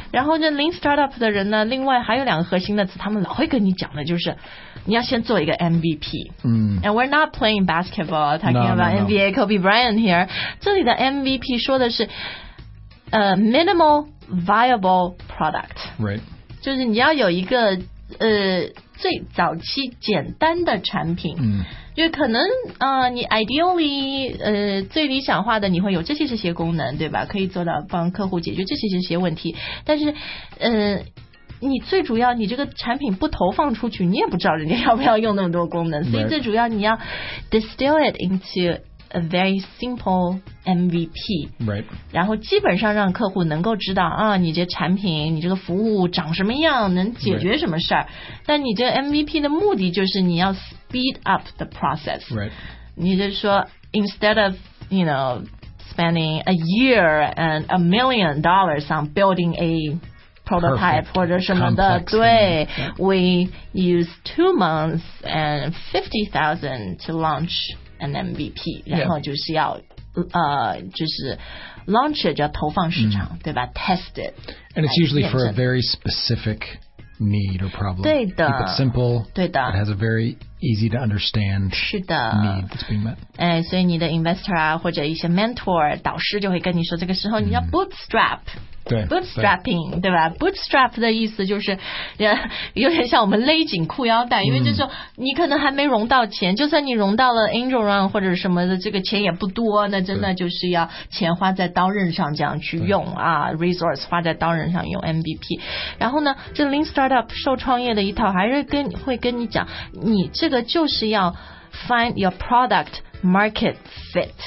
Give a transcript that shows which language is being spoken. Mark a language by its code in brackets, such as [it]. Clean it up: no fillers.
[zh] 然后这 Lean Startup 的人呢，另外还有两个核心的词，他们老会跟你讲的就是，你要先做一个 MVP.、 Mm. [en] And we're not playing basketball, talking no, about no, NBA no. Kobe Bryant here. [zh] 这里的 MVP 说的是minimal viable product. [en] Right. [zh] 就是你要有一个最早期简单的产品。嗯、就可能你 ideally 最理想化的你会有这些功能，对吧？可以做到帮客户解决这些问题，但是你最主要你这个产品不投放出去，你也不知道人家要不要用那么多功能，所以最主要你要 [en] distill it into a very simple MVP、 right. [zh] 然后基本上让客户能够知道啊，你这产品你这个服务长什么样，能解决什么事儿。 [en] Right. [zh] 但你这 MVP 的目的就是你要 [en] speed up the process、 right. [zh] 你就说 [en] instead of you know spending a year and $1 million on building aaprotype Perfect, [zh] 或者什么的 [en] complex, [zh] 对、 [en] yeah. we use 2 months and $50,000 to launch an MVP、 yeah. [zh] 然后就是要就是 [en] launch it [zh] 叫投放市场、 mm. [en] 对吧 test it and it's usually for a very specific need or problem [zh] 对的 [en] keep it simple [zh] 对的 [en] it has a very easy to understand [zh] 是的 [en] need that's being met、 [zh] 哎、所以你的 investor 啊或者一些 mentor 导师就会跟你说这个时候你要 bootstrap、mm. 对 bootstrapping 对吧 bootstrap 的意思就是有点像我们勒紧裤腰带、嗯、因为就是你可能还没融到钱就算你融到了 angel round 或者什么的这个钱也不多那真的就是要钱花在刀刃上这样去用啊 resource 花在刀刃上用 MVP 然后呢这 lean startup 受创业的一套还是会跟你讲你这个就是要 [en] find your productmarket fit、